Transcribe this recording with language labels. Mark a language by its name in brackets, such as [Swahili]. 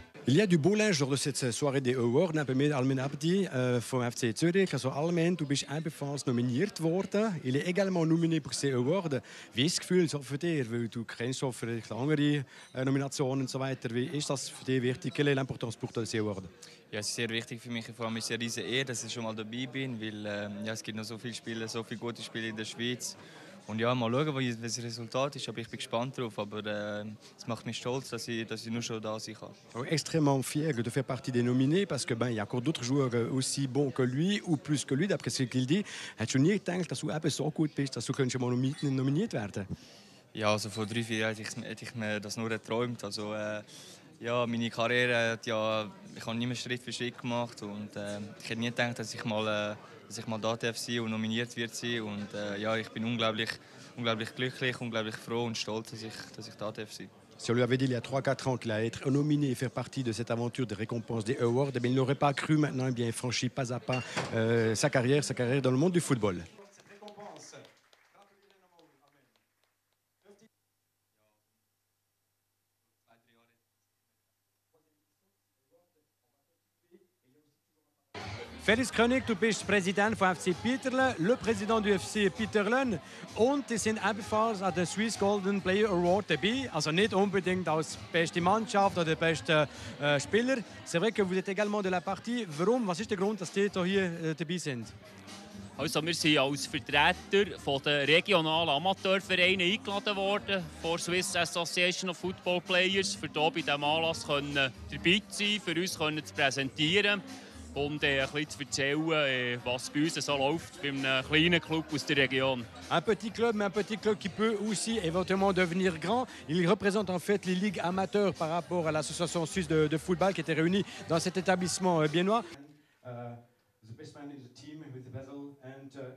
[French] Il y a du beau linge lors de cette soirée des Awards. Nous avons mis Almen Abdi [German] vom FC Zürich. Also Almen, du bist ebenfalls nominiert worden. [French] Il est également nominé pour ces Awards. [German] Wie ist das Gefühl so für dich? Weil du kennst auch vielleicht andere Nominationen und so weiter. Wie ist das für dich wichtig? [French] Quelle est l'importance pour ces Awards? [German] Ja, es ist sehr wichtig für mich. Vor allem ist es eine riesige Ehre, dass ich schon mal dabei bin. Weil es gibt noch so viele Spiele, so viele gute Spiele in der Schweiz. Und ja, mal schauen, was das Resultat ist. Aber ich bin gespannt drauf. Aber es macht mich stolz, dass ich nur schon da sein kann. [French] Oh, extrêmement fier de faire partie des nominés, parce que ben, il y a encore d'autres joueurs aussi bons que lui ou plus que lui, d'après ce qu'il dit. [German] Hast du nie gedacht, dass du eben so gut bist, dass du könntest mal nominiert werden? Ja, also vor 3-4 Jahren hätte ich mir das nur geträumt. Also ja, meine Karriere hat ja, ich habe nie mehr Schritt für Schritt gemacht und ich hätte nie gedacht, dass ich mal da darf sein und nominiert wird sein. Und ich bin unglaublich glücklich, unglaublich froh und stolz, dass ich da darf sein. [French] Si on lui avait dit il y a 3-4 ans qu'il allait être nominé et faire partie de cette aventure des récompenses des Awards, eh bien, il n'aurait pas cru maintenant, eh bien, franchi pas à pas sa carrière dans le monde du football. [German] Ferris Krönig, du bist Präsident von FC Peterle, [French] le Präsident du FC Peterlen. [German] Und sie sind ebenfalls an der Swiss Golden Player Award dabei. Also nicht unbedingt als beste Mannschaft oder beste Spieler. [French] C'est vrai que vous êtes également de la partie. [German] Warum? Was ist der Grund, dass die hier dabei sind? Also, wir sind als Vertreter von der regionalen Amateurvereine eingeladen worden, von Swiss Association of Football Players, für hier bei diesem Anlass können dabei zu sein, für uns können zu präsentieren. Und ein bisschen zu erzählen, was bei uns so läuft, bei einem kleinen Club aus der Region. [French] Ein petit Club, mais un petit Club qui peut aussi éventuellement devenir grand. Il représente en fait les ligues amateurs par rapport à l'association suisse de football qui était réunie dans cet établissement biennois. [English] The best man in the team with the vessel and